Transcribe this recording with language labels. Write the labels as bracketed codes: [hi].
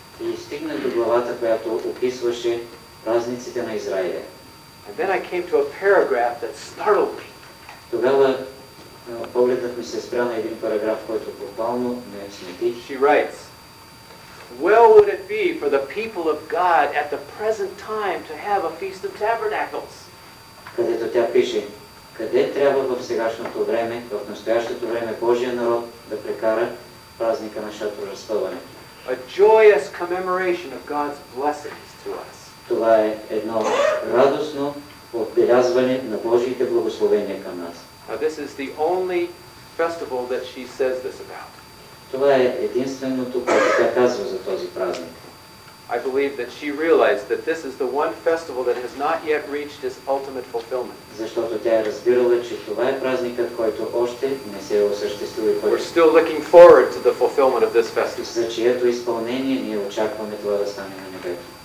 [en] And then I came to a paragraph that startled me. She writes, "Well would it be for the people of God at the present time to have a Feast of Tabernacles?" [bg] Където тя пише, къде трябва в сегашното време, в настоящото време Божия народ да прекара празника на шатро разпъване. [en] A joyous commemoration of God's blessings to us. [bg] Това е едно радостно отбелязване на Божиите благословения към нас. [en] Now this is the only festival that she says this about. [bg] Това е единственото, което тя казва за този празник. [en] I believe that she realized that this is the one festival that has not yet reached its ultimate fulfillment. [bg] Защото тя е разбирала, че това е празникът, който още не се е осъществил. [en] We're still looking forward to the fulfillment of this festival. [bg] За чието изпълнение ние очакваме това да стане на небето.